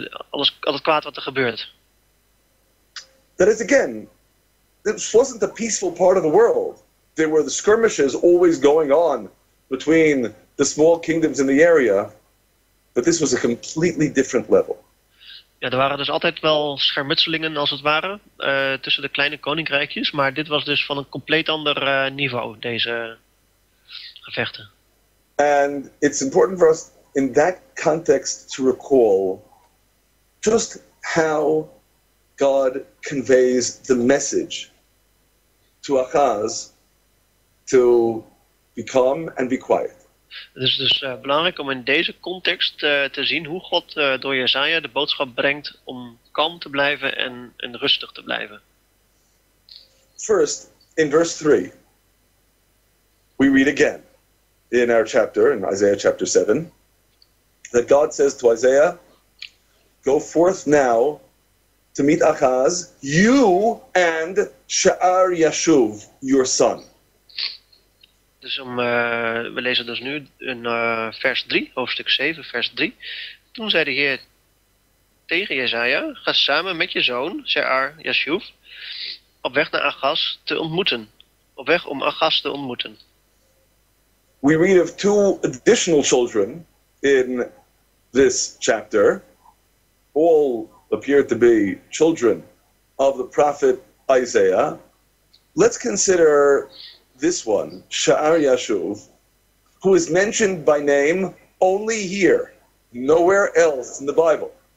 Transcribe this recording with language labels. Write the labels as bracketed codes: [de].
[nl] Al het kwaad wat er gebeurt. [en] That is again, this wasn't the peaceful part of the world. There were the skirmishes always going on between the small kingdoms in the area, but this was a completely different level. [nl] Ja, er waren dus altijd wel schermutselingen als het ware tussen de kleine koninkrijkjes, maar dit was dus van een compleet ander niveau, deze gevechten. [en] And it's important for us in that context to recall just how God conveys the message to Achaz to be calm and be quiet. [nl] Het is dus belangrijk om in deze context te zien hoe God door Jesaja de boodschap brengt om kalm te blijven en rustig te blijven. [en] First, in verse 3, we read again in our chapter, in Isaiah chapter 7, that God says to Isaiah, go forth now to meet Achaz, you and Sha'ar Yashuv, your son. [nl] Dus we lezen dus nu in vers 3, hoofdstuk 7, vers 3. Toen zei de Heer tegen Jesaja, ga samen met je zoon, Sha'ar Yashuv, op weg naar Achaz te ontmoeten. Op weg om Achaz te ontmoeten. [en] We read of two additional children in this chapter. All appear to be children of the prophet Isaiah. Let's consider this one, Sha'ar Yashuv, who is mentioned by name only here, nowhere else in the Bible.